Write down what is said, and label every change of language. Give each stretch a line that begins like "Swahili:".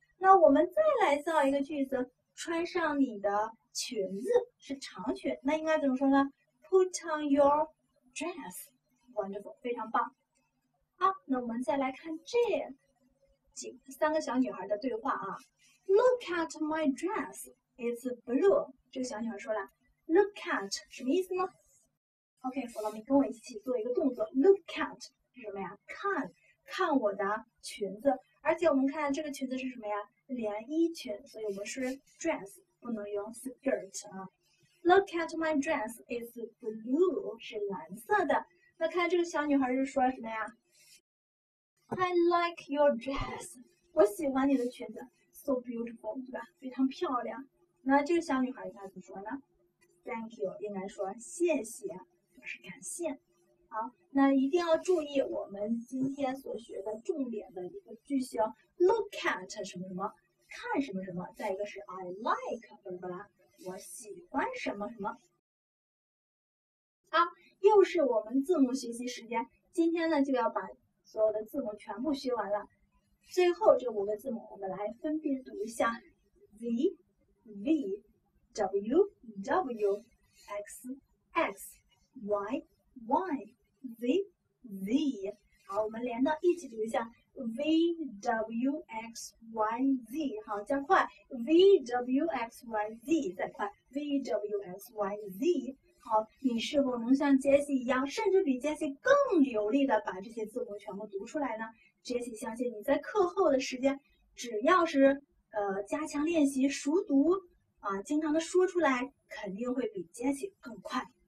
Chinese: 那我们再来造一个句子，穿上你的裙子是长裙，那应该怎么说呢 ？
English: Put on your dress， wonderful，
Chinese: 非常棒。好，那我们再来看这三个小女孩的对话啊。
English: Look at my dress, it's blue.
Chinese: 这个小女孩说了 ，Look at 什么意思呢 ？OK， 弗洛米跟我一起做一个动作 ，Look at 是什么呀？看，看我的裙子。而且我们看这个裙子是什么呀？连衣裙，所以我们是 dress， 不能用 skirt 啊。
English: Look at my dress, it's blue，
Chinese: 是蓝色的。那看这个小女孩是说什么呀 ？
English: I like your dress，
Chinese: 我喜欢你的裙子。
English: So beautiful， 对吧？
Chinese: 非常漂亮。那这个小女孩应该怎么说呢 ？Thank you， 应该说谢谢，表示感谢。好，那一定要注意我们今天所学的重点的一个句型 ，look at 什么什么，看什么什么。再一个是 I like， 不啦不啦，我喜欢什么什么。好，又是我们字母学习时间，今天呢就要把所有的字母全部学完了。最后这五个字母我们来分别读一下 V V W W X X Y Y Z Z。好，我们连到一起读一下 V W X Y Z。好，加快 V W X Y Z， 再快 V W X Y Z。好，你是否能像杰西一样，甚至比杰西更流利的把这些字母全部读出来呢？杰西相信你在课后的时间，只要是加强练习熟读啊，经常的说出来，肯定会比杰西更快。